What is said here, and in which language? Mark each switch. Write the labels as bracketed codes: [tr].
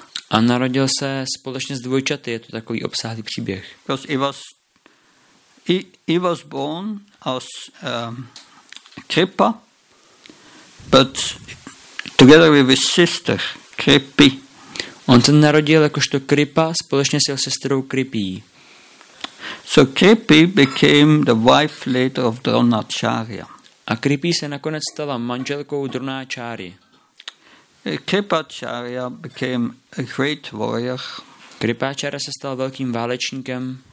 [cs] A narodil se společně s dvojčaty, je to takový obsáhlý příběh. [en] Because he was born as Kripa, but together with his sister, Kripi. [cs] On se narodil jakožto Kripa společně s jeho sestrou Kripi. [en] So Kripi became the wife later of Dronacharya. [cs] A Kripí se nakonec stala manželkou Dronáčáry. [en] Kripáčára became a great warrior. [cs] Kripáčára se stal velkým válečníkem.